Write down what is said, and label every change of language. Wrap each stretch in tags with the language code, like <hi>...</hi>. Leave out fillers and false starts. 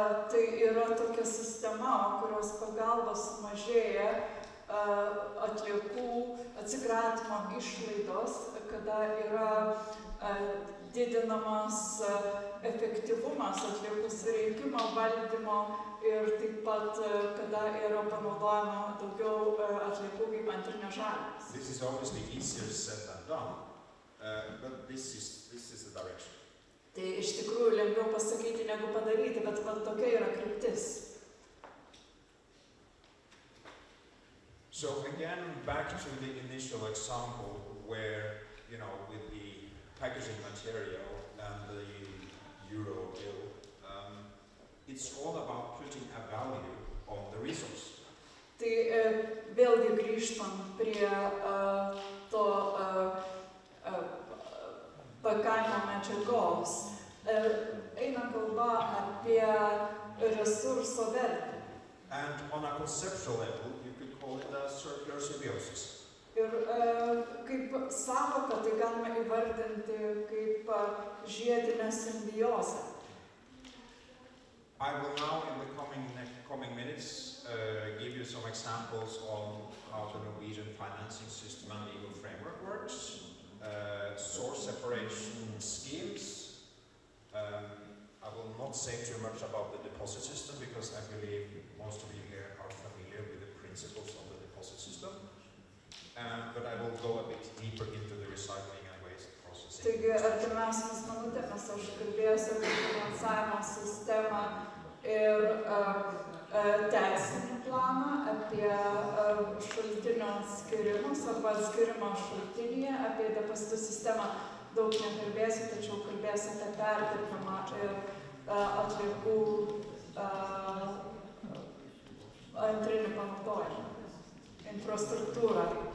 <lt>Tai yra tokia sistema, kurios pagalbos mažėja atliekų atsikratymo išlaidos, kada yra didinamas efektyvumas atliekų surinkimo valdymo ir taip pat kada yra panaudojama daugiau atliekų kaip antrinės žaliavos.</lt> <en>This is obviously easier said than done, but this is the direction.</en> <lt>Tai iš tikrųjų lengviau pasakyti negu padaryti, bet va, tokia yra kryptis.</lt> <en>So again, back to the initial example where, you know, with the packaging material and the euro bill, it's all about putting a value on the resource.</en> <lt>Tai vėlgi grįžtant prie to pakavimo medžiagos, eina kalba apie resurso vertę.</lt> <en>And on a conceptual level, circular symbiosis.</en> <lt>Ir kaip sąvoka, tai galime įvardinti kaip žiedinę simbiozę.</lt> <en>I will now in the coming minutes give you some examples on how the Norwegian financing system and legal framework works, source separation schemes. I will not say too much about the deposit system because I believe most of you here are familiar with the principles of the deposit system. But I will go a bit deeper into the recycling and waste processing.</en> <lt>Taigi, artimiausiais minutėmis aš kalbėsiu apie finansavimo sistemą ir teisinį planą apie šaltinio skirimus arba atskirimo šaltinį, apie depozitų sistemą daug nekalbėsiu, tačiau kalbėsiu apie perdirbimą ir atliekų antrinį panaudojimą, infrastruktūrą.</lt>